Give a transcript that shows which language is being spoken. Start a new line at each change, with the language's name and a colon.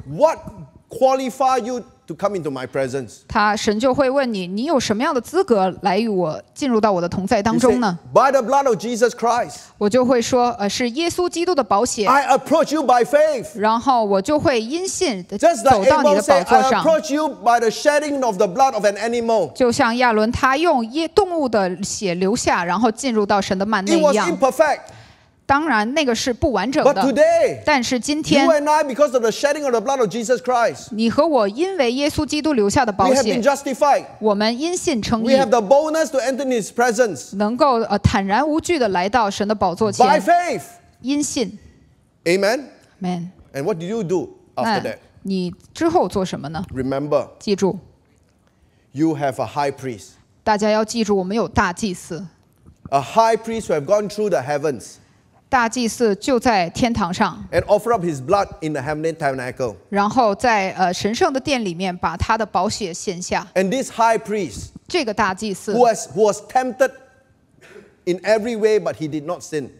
English: And God will say, What qualify you to come into my presence?
Chinese: 神就会问你, 你有什么样的资格来与我进入到我的同在当中呢?
English: By the blood of Jesus Christ.
Chinese: 我就会说, 是耶稣基督的宝血。
English: I approach you by faith.
Chinese: 然后我就会因信走到你的宝座上。
English: Just like Abel said, I approach you by the shedding of the blood of an animal.
Chinese: 就像亚伦他用动物的血流下, 然后进入到神的幔内一样。
English: It was imperfect.
Chinese: 当然那个是不完整的,
English: But today,
Chinese: 但是今天,
English: you and I, because of the shedding of the blood of Jesus Christ,
Chinese: 你和我因为耶稣基督留下的宝血,
English: we have been justified.
Chinese: 我们因信称义,
English: we have the boldness to enter His presence.
Chinese: 能够, 坦然无惧地来到神的宝座前,
English: by faith.
Chinese: 因信,
English: Amen? Amen. And what do you do after that?
Chinese: 你之后做什么呢?
English: Remember,
Chinese: 记住,
English: you have a high priest.
Chinese: 大家要记住, 我们有大祭司,
English: a high priest who have gone through the heavens.
Chinese: 大祭司就在天堂上,
English: and offer up his blood in the heavenly tabernacle.
Chinese: 然后在, 神圣的殿里面把他的宝血献下,
English: and this high priest,
Chinese: 这个大祭司,
English: who was tempted in every way, but he did not sin.